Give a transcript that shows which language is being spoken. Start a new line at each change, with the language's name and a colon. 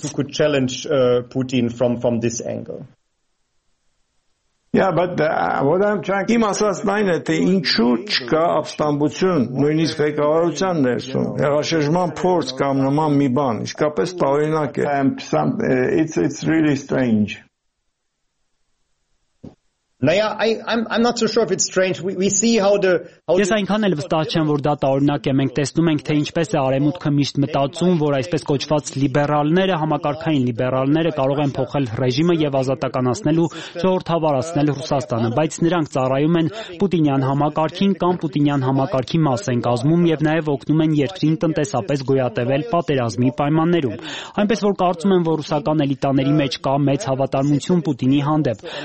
Armenian: տեսանկյունից։
English: Yeah, but what I'm trying to
Armenian: ասած նայն է, թե ինչու չկա ապստամբություն նույնիսկ ղեկավարության ներսում, հեղաշրջման փորձ կամ նման մի բան, իսկապես տարօրինակ է։
English: It's really strange. Naya, I'm not so sure if it's strange. We see how the
Armenian: Ես այնքան էլ վստահ չեմ, որ դա տարօրինակ է։ Մենք տեսնում ենք, թե ինչպես է արևմուտքը միշտ մտածում, որ այսպես կոչված լիբերալները, համակարգային լիբերալները կարող են փոխել ռեժիմը եւ ազատականացնել ու ժողովրդավարացնել Ռուսաստանը, բայց նրանք ծառայում են Պուտինյան համակարգին կամ Պուտինյան համակարգի մաս են կազմում եւ նաեւ օգնում են երկրին տնտեսապես գոյատևել պատերազմի պայմաններում։ Այնպես որ կարծում եմ, որ ռուսական էլիտաների մեջ կա մեծ հավատարմություն Պուտինի հանդեպ։